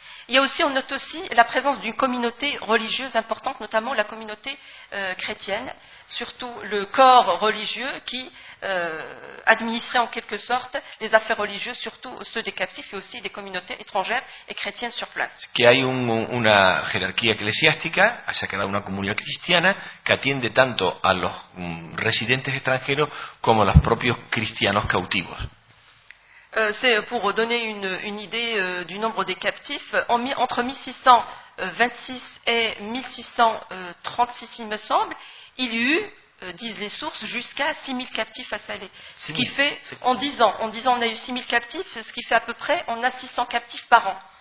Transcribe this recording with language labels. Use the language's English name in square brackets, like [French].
[French] Il y a aussi, on note aussi la présence d'une communauté religieuse importante, notamment la communauté chrétienne, surtout le corps religieux qui administrait en quelque sorte les affaires religieuses, surtout ceux des captifs et aussi des communautés étrangères et chrétiennes sur place. [Spanish] Que hay una jerarquía eclesiástica, a sacar una comunidad cristiana, que atiende tanto a los residentes extranjeros como a los propios cristianos cautivos. [French] C'est pour donner une idée du nombre des captifs. Entre 1626 et 1636, il me semble, il y eut, disent les sources, jusqu'à 6000 captifs à Salé. Ce qui fait, en 10 ans, on a eu 6000 captifs, ce qui fait à peu près, on a 600 captifs par an.